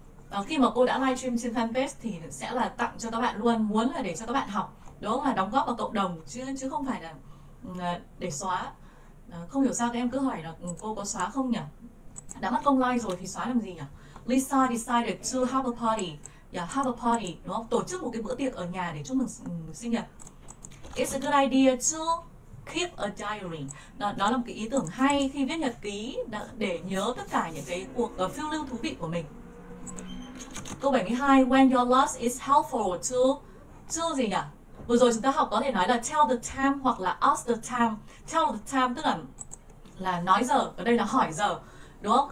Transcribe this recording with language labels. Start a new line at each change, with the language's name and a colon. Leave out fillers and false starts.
Vietnamese: Đó, khi mà cô đã livestream trên fanpage thì sẽ là tặng cho các bạn luôn, muốn là để cho các bạn học, đúng không? Là đóng góp vào cộng đồng chứ không phải là để xóa. Đó, không hiểu sao các em cứ hỏi là cô có xóa không nhỉ? Đã mất công like rồi thì xóa làm gì nhỉ?
English: Lisa decided to have a party. Yeah, have a party,
Vietnamese: đúng không? Tổ chức một cái bữa tiệc ở nhà để chúc mừng sinh nhật.
English: It's a good idea to keep a diary.
Vietnamese: Đó là một cái ý tưởng hay khi viết nhật ký để nhớ tất cả những cái cuộc phiêu lưu thú vị của mình.
English: Câu 72, when your loss is helpful to
Vietnamese: gì nhỉ? Vừa rồi chúng ta học có thể nói là
English: tell the time
Vietnamese: hoặc là
English: ask the time. Tell the time
Vietnamese: tức là nói giờ, ở đây là hỏi giờ, đúng không?